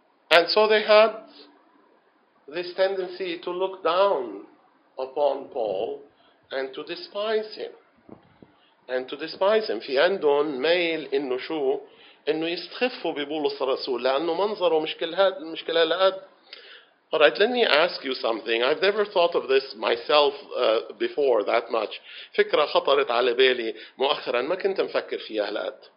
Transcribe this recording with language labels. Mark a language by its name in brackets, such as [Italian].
[English] And so they had this tendency to look down upon Paul and to despise him. And to despise him. [Arabic] في عندهم ميل إنه شو؟ إنه يستخفوا ببولس الرسول لأنه منظره مشكلة لقد. [English] Alright, let me ask you something. I've never thought of this myself before that much. [Arabic] فكرة خطرت على بالي مؤخرا ما كنت مفكر فيها لقد.